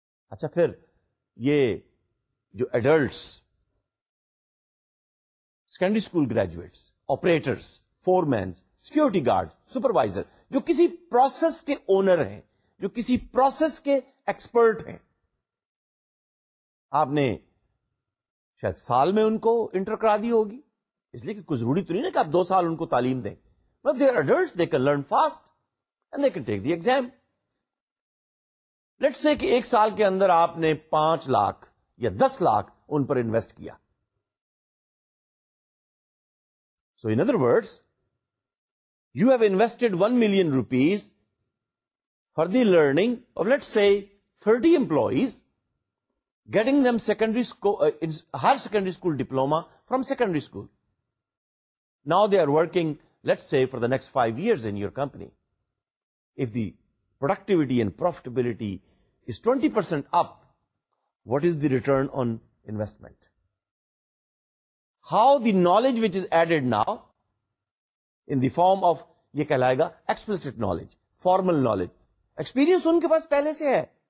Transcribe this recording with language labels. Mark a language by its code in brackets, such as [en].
[ur] اچھا پھر یہ جو adults secondary school graduates, operators, four means, security guard, supervisor, جو کسی پروسیس کے اونر ہیں, جو کسی پروسیس کے ایکسپرٹ ہیں, آپ نے شاید سال میں ان کو انٹر کرا دی ہوگی, اس لیے کہ کچھ ضروری تو نہیں نا کہ آپ دو سال ان کو تعلیم دیں. مطلب [en] They are adults, they can learn fast and they can take the exam. [ur] Let's say کہ ایک سال کے اندر آپ نے 5 لاکھ یا 10 لاکھ ان پر انویسٹ کیا. [en] So in other words, you have invested 1,000,000 rupees for the learning of let's say 30 employees, getting them secondary higher secondary school diploma from secondary school. Now they are working let's say for the next 5 years in your company. If the productivity and profitability is 20% up, what is the return on investment? How the knowledge which is added now in the form of [ur] ye kehlayega [en] explicit knowledge, formal knowledge, experience [ur] unke paas pehle se hai.